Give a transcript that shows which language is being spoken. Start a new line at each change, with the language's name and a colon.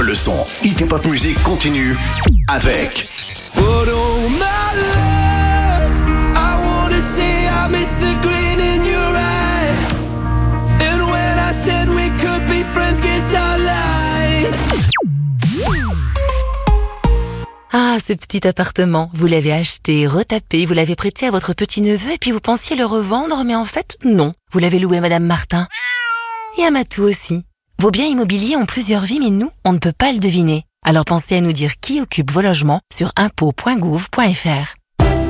French: Le son Hit et pop musique continue avec.
English: Put on my love. I wanna say I miss the green in your eyes. And when I said we could be friends, guess I lied.
French: Ah, ce petit appartement, vous l'avez acheté, retapé, vous l'avez prêté à votre petit-neveu et puis vous pensiez le revendre, mais en fait, non. Vous l'avez loué à Madame Martin. Et à Matou aussi. Vos biens immobiliers ont plusieurs vies, mais nous, on ne peut pas le deviner. Alors pensez à nous dire qui occupe vos logements sur impots.gouv.fr.